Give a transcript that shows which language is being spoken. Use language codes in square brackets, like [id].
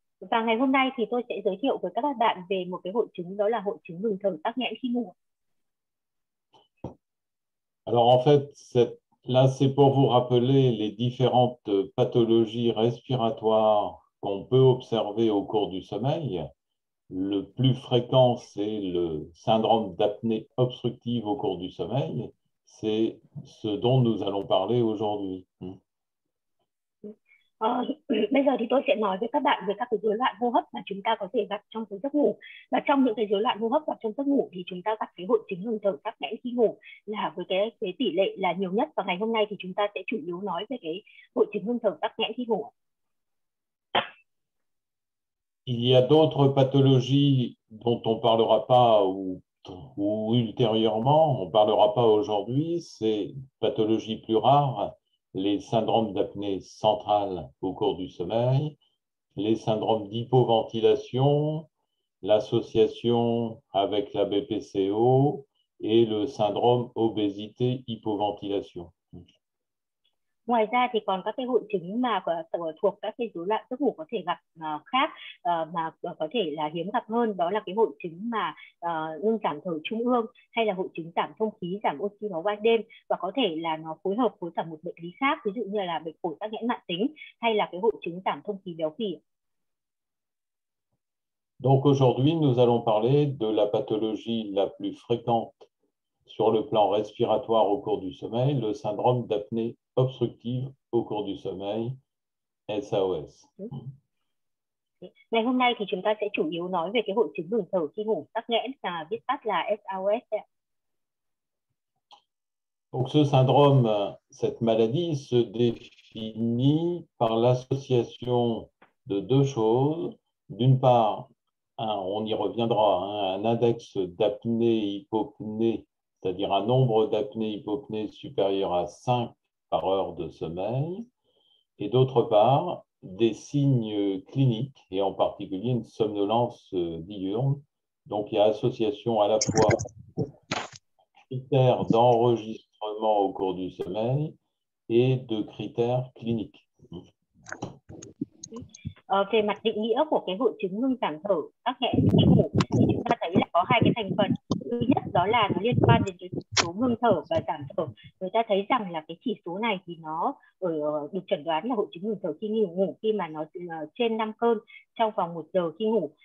[vi] Và ngày hôm nay thì tôi sẽ giới thiệu với các bạn về một cái hội chứng, đó là hội chứng ngừng thở tắc nghẽn khi ngủ. [fr] Alors en fait, là c'est pour vous rappeler les différentes pathologies respiratoires qu'on peut observer au cours du sommeil. Le plus fréquent, c'est le syndrome d'apnée obstructive au cours du sommeil. C'est ce dont nous allons parler aujourd'hui. [vi] Bây giờ thì tôi sẽ nói với các bạn về các cái rối loạn hô hấp mà chúng ta có thể gặp trong cái giấc ngủ. Và trong những cái rối loạn hô hấp gặp trong giấc ngủ thì chúng ta gặp cái hội chứng ngừng thở tắc nghẽn khi ngủ là với cái tỷ lệ là nhiều nhất. Và ngày hôm nay thì chúng ta sẽ chủ yếu nói về cái hội chứng ngừng thở tắc nghẽn khi ngủ. [fr] Il y a d'autres pathologies dont on ne parlera pas ou ultérieurement, on ne parlera pas aujourd'hui, c'est pathologie plus rare. Les syndromes d'apnée centrale au cours du sommeil, les syndromes d'hypoventilation, l'association avec la BPCO et le syndrome obésité-hypoventilation. [vi] Ngoài ra thì còn các cái hội chứng mà thuộc các cái rối loạn giấc ngủ có thể gặp khác mà có thể là hiếm gặp hơn, đó là cái hội chứng mà ngưng giảm thở trung ương hay là hội chứng giảm thông khí, giảm oxy máu ban đêm, và có thể là nó phối hợp với cả một bệnh lý khác, ví dụ như là bệnh phổi tắc nghẽn mãn tính hay là cái hội chứng giảm thông khí béo phì. [fr] Donc aujourd'hui, nous allons parler de la pathologie la plus fréquente sur le plan respiratoire au cours du sommeil, le syndrome d'apnée obstructive au cours du sommeil, SAOS. [vi] Ngày hôm nay thì chúng ta sẽ chủ yếu nói về cái hội chứng ngừng thở khi ngủ tắc nghẽn, viết tắt là SAOS. [fr] Donc ce syndrome, cette maladie se définit par l'association de deux choses. D'une part, on y reviendra, un index d'apnée-hypopnée, c'est-à-dire un nombre d'apnée-hypopnée supérieur à 5 par heure de sommeil, et d'autre part, des signes cliniques, et en particulier une somnolence diurne. Donc il y a association à la fois critères d'enregistrement au cours du sommeil et de critères cliniques. [vi] Về mặt định nghĩa của cái hội chứng ngưng giảm thở tắc nghẽn khi ngủ thì chúng ta thấy là có hai cái thành phần. Thứ nhất đó là nó liên quan đến cái chỉ số ngưng thở và giảm thở. Người ta thấy rằng là cái chỉ số này thì nó được chẩn đoán là hội chứng ngừng thở khi ngủ khi mà nó trên 5 cơn trong vòng 1 giờ khi ngủ.